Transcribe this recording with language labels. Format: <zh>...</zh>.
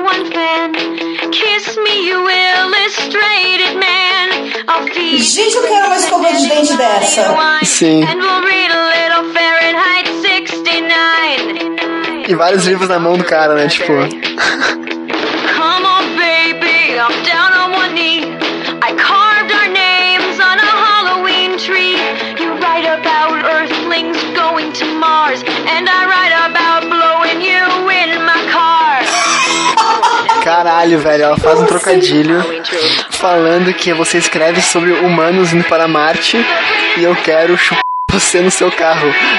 <en>one fan, kiss me, you illustrated man.</en> <pt>Gente, eu quero uma escova de dente dessa. Sim.</pt> <en>And we'll read a little Fahrenheit 69.</en> <pt>E vários livros na mão do cara, né? Tipo.</pt> <en>Come on, baby, I'm down on one knee. I carved our names on a Halloween tree. You write about earthlings going to Mars, and I write about blowing you in my car.</en> <pt>Caralho, velho, ela faz um trocadilho falando que você escreve sobre humanos indo para Marte e eu quero chupar você no seu carro.</pt>